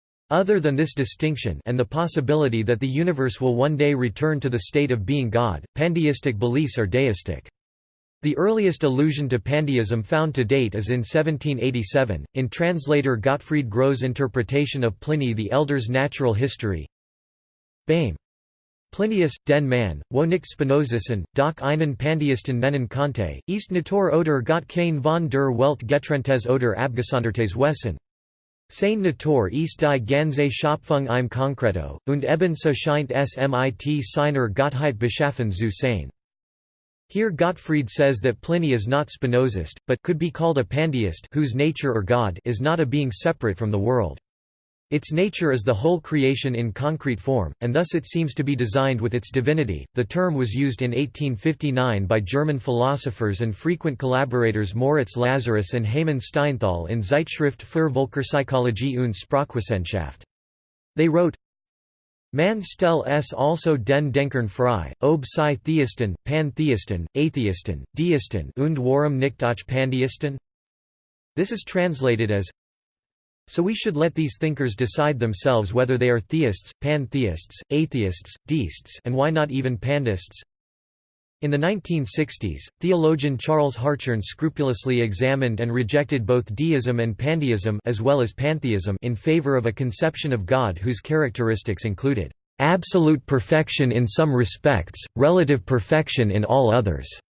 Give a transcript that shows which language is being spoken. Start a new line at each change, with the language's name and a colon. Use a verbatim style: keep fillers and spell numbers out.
English: Other than this distinction and the possibility that the universe will one day return to the state of being God, pandeistic beliefs are deistic. The earliest allusion to pandeism found to date is in seventeen eighty-seven, in translator Gottfried Groe's interpretation of Pliny the Elder's Natural History. Bame.
German: Plinius, den Mann, wo nicht Spinozischen, doch einen Pandeisten nennen konnte, ist Natur oder Gott kein von der Welt getrenntes oder abgesondertes Wesen. Sein Natur ist die ganze Schöpfung im Konkreto, und ebenso scheint es mit seiner Gottheit beschaffen zu sein.
English: Here Gottfried says that Pliny is not Spinozist, but could be called a pandeist whose nature or God is not a being separate from the world. Its nature is the whole creation in concrete form, and thus it seems to be designed with its divinity. The term was used in eighteen fifty-nine by German philosophers and frequent collaborators Moritz Lazarus and Hamann Steinthal in Zeitschrift für Völkerpsychologie und Sprachwissenschaft. They wrote,
German: Man stell es also den Denkern frei, ob sie Theisten, Pantheisten, Atheisten, Deisten und warum nicht auch Pandeisten?
English: This is translated as, So we should let these thinkers decide themselves whether they are theists, pantheists, atheists, deists, and why not even pandeists? In the nineteen sixties, theologian Charles Harchern scrupulously examined and rejected both deism and pandeism as well as pantheism in favor of a conception of God whose characteristics included absolute perfection in some respects, relative perfection in all others,